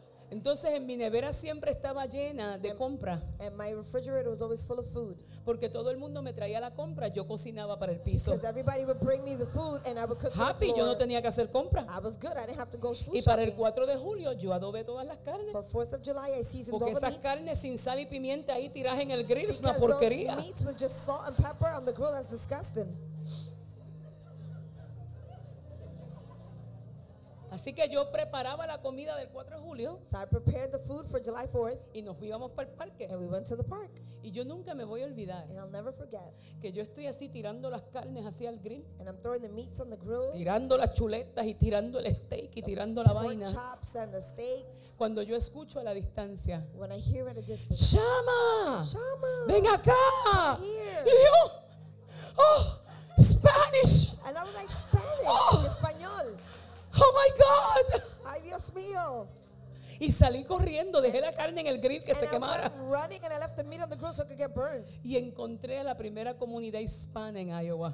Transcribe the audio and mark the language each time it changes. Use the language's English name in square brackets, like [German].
[Spanish] Entonces en mi nevera siempre estaba llena de compra. [English] And my refrigerator was always full of food. [Spanish] Porque todo el mundo me traía la compra, yo cocinaba para el piso. [English] Because everybody would bring me the food and I would cook. [Spanish] Happy, yo no tenía que hacer compra. [English] I was good, I didn't have to go food shopping. [Spanish] Y para el 4 de julio yo adobé todas las carnes. [English] For 4th of July I seasoned all the meats. [Spanish] Porque esas carnes sin sal y pimienta ahí tiras en el grill es una porquería. [English] Because those meats with just salt and pepper on the grill, that's disgusting. [Spanish] Así que yo preparaba la comida del 4 de julio. [English] So I prepared the food for July 4th. [Spanish] Y nos íbamos para el parque. [English] And we went to the park. [Spanish] Y yo nunca me voy a olvidar. [English] And I'll never forget. [Spanish] Que yo estoy así tirando las carnes hacia el grill. [English] And I'm throwing the meats on the grill. [Spanish] Tirando las chuletas y tirando el steak y tirando la vaina. [English] Pork chops and the steak. [Spanish] Cuando yo escucho a la distancia. [English] When I hear at a distance. [Spanish] ¡Shama! [English] ¡Shama! [Spanish] ¡Ven acá! [English] Come here. [Spanish] Y yo, ¡oh! ¡Spanish! [English] And I was like, Spanish. Oh. [Spanish] En español. [English] Oh my God! [Spanish] Ay, Dios mío! Y salí corriendo, dejé la carne en el grill que [English] and [Spanish] se [English] I [Spanish] quemara. [English] Went running and I left the meat on the grill so it could get burned. [Spanish] Y encontré a la primera comunidad hispana en Iowa.